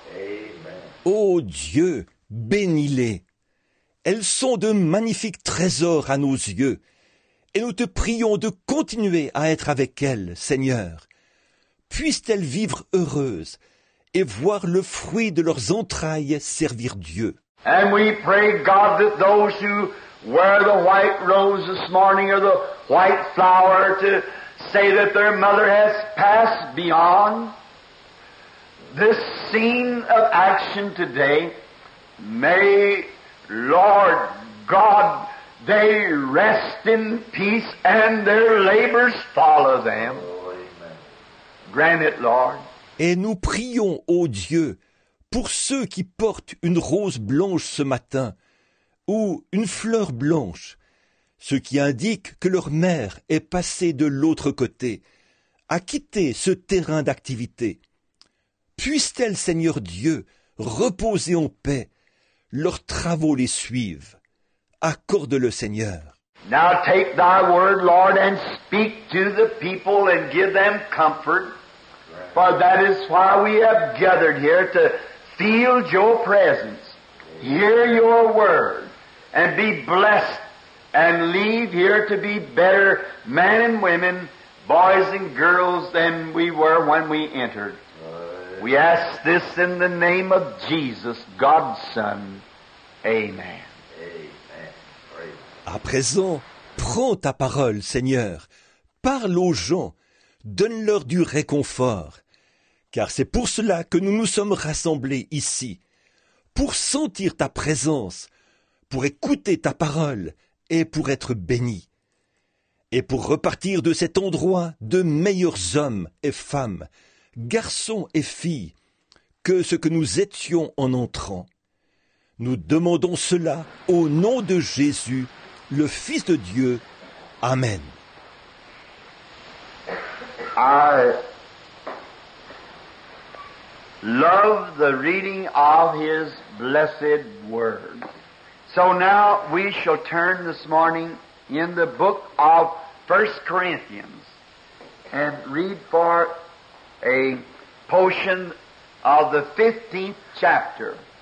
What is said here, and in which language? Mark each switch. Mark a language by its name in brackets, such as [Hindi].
[French] Amen. Oh Dieu, bénis-les. Elles sont de magnifiques trésors à nos yeux. Et nous te prions de continuer à être avec elles, Seigneur. Puissent-elles vivre heureuses et voir le fruit de leurs entrailles servir Dieu. [English] And we pray, God, that those who wear the white rose this morning or the white flower to say that their mother has passed beyond this scene of action today. May, Lord God, they rest in peace and their labors follow them. Grant it, Lord. [French] Et nous prions, ô Dieu, pour ceux qui portent une rose blanche ce matin, ou une fleur blanche, ce qui indique que leur mère est passée de l'autre côté, a quitté ce terrain d'activité. Puisse-t-elle, Seigneur Dieu, reposer en paix, leurs travaux les suivent. Accorde-le, Seigneur. [English] Now take thy word, Lord, and speak to the people and give them comfort, for that is why we have gathered here, to feel your presence, hear your word, and be blessed and leave here to be better men and women, boys and girls than we were when we entered. We ask this in the name of Jesus, God's Son. Amen. Amen. [French] À présent, prends ta parole, Seigneur. Parle aux gens. Donne-leur du réconfort. Car c'est pour cela que nous nous sommes rassemblés ici. Pour sentir ta présence, pour écouter ta parole et pour être béni, et pour repartir de cet endroit de meilleurs hommes et femmes, garçons et filles, que ce que nous étions en entrant. Nous demandons cela au nom de Jésus, le Fils de Dieu. Amen. [English] I love the reading of his blessed word. So now we shall turn this morning in the book of 1 Corinthians and read for a portion of the 15th chapter.